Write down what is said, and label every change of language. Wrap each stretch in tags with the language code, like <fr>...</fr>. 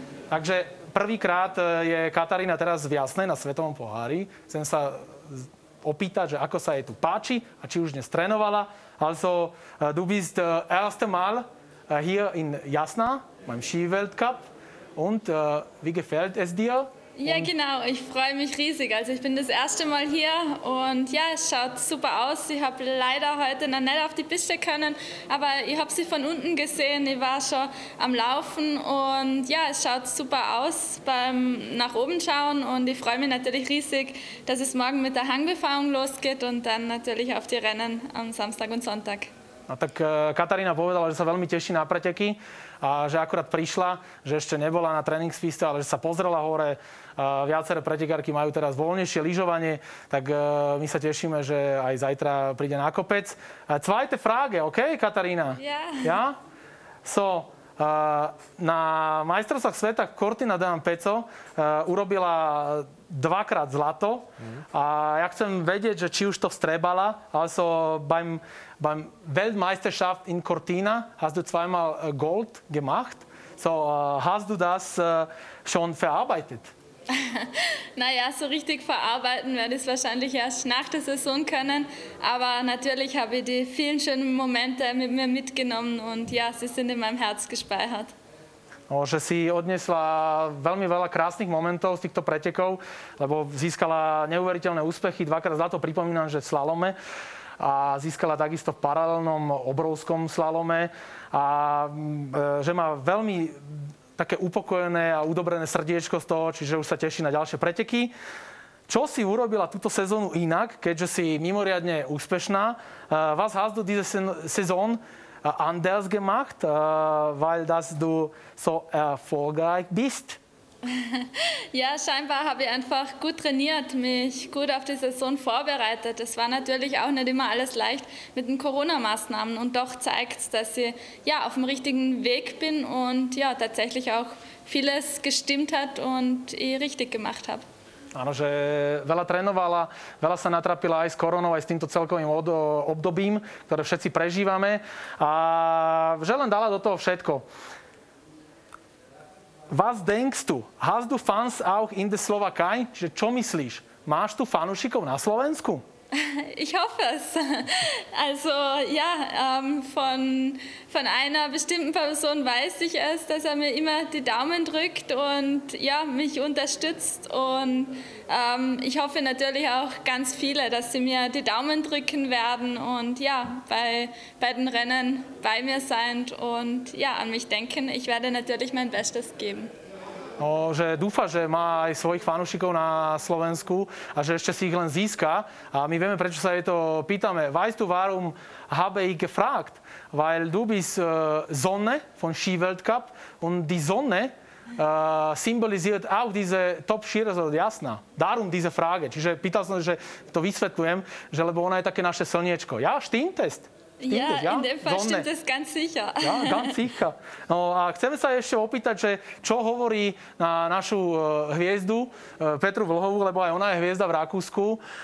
<sk>Takže prvýkrát je Katarína teraz v Jasnej na svetovom pohári. Chcem sa opýtať, že ako sa jej tu páči a či už dnes trénovala.</sk> <de>Also, du bist erste Mal hier in Jasna beim Skiweltcup und wie gefällt es dir? Ja, genau. Ich freue mich riesig. Also ich bin das erste Mal hier und ja, es schaut super aus. Ich habe leider heute noch nicht auf die Piste können, aber ich habe sie von unten gesehen. Ich war schon am Laufen und ja, es schaut super aus beim nach oben schauen und ich freue mich natürlich riesig, dass es morgen mit der Hangbefahrung losgeht und dann natürlich auf die Rennen am Samstag und Sonntag.</de> <sk>No tak Katarína povedala, že sa veľmi teší na preteky a že akurát prišla, že ešte nebola na tréningspiste, ale že sa pozrela hore. Viaceré pretekárky majú teraz voľnejšie lyžovanie, tak my sa tešíme, že aj zajtra príde na kopec.</sk> <de>Zweite Frage, OK, Katarína?</de> <en>Yeah.</en> <sk>Ja. So, na majstrovstvách sveta Cortina Dame Pezzo urobila dvakrát zlato. A ja chcem vedieť, že či už to vstrebala,</sk> <de>also beim Weltmeisterschaft in Cortina hast du zweimal Gold gemacht. So, hast du das schon verarbeitet? Naja, so richtig verarbeiten werde ich es wahrscheinlich erst nach der Saison können. Aber natürlich habe ich die vielen schönen Momente mit mir mitgenommen und ja, sie sind in meinem Herz gespeichert.</de> <sk>No, že si odnesla veľmi veľa krásnych momentov z týchto pretekov, lebo získala neuveriteľné úspechy. Dvakrát zlato, pripomínam, že v slalome. A získala takisto v paralelnom obrovskom slalome. A že má veľmi také upokojené a udobrené srdiečko z toho, čiže už sa teší na ďalšie preteky. Čo si urobila túto sezónu inak, keďže si mimoriadne úspešná?</sk> <de>Was hast du diese Saison anders gemacht, weil das du so erfolgreich bist? Ja, scheinbar habe ich einfach gut trainiert, mich gut auf die Saison vorbereitet. Es war natürlich auch nicht immer alles leicht mit den Corona-Maßnahmen und doch zeigt es, dass ich ja, auf dem richtigen Weg bin und ja, tatsächlich auch vieles gestimmt hat und ich richtig gemacht habe.</de> <sk>Áno, že veľa trénovala, veľa sa natrapila aj s koronou, aj s týmto celkovým obdobím, ktoré všetci prežívame. A že len dala do toho všetko.</sk> <de>Was denkst du? Hast du Fans auch in der Slowakei?</de> <sk>Čiže čo myslíš? Máš tu fanúšikov na Slovensku?</sk> <de>Ich hoffe es. Also ja, von einer bestimmten Person weiß ich es, dass er mir immer die Daumen drückt und ja, mich unterstützt. Und ich hoffe natürlich auch ganz viele, dass sie mir die Daumen drücken werden und ja, bei den Rennen bei mir sein und ja, an mich denken. Ich werde natürlich mein Bestes geben.</de> <sk>No, že dúfa, že má aj svojich fanúšikov na Slovensku a že ešte si ich len získa. A my vieme, prečo sa jej to pýtame.</sk> <de>Weißt du, warum habe ich gefragt? Weil du bist Sonne von Skiweltcup und die Sonne symbolisiert auch diese Top-Skirezort Jasna. Darum diese Frage.</de> <sk>Čiže pýtal som, že to vysvetlujem, že lebo ona je také naše slniečko.</sk> <de>Ja, stimmtest? Ja, in dem Fall stimmt es ganz sicher. Ja, ganz sicher.</de> <sk>No a chceme sa ešte opýtať, že čo hovorí na našu hviezdu Petru Vlhovú, lebo aj ona je hviezda v Rakúsku.</sk>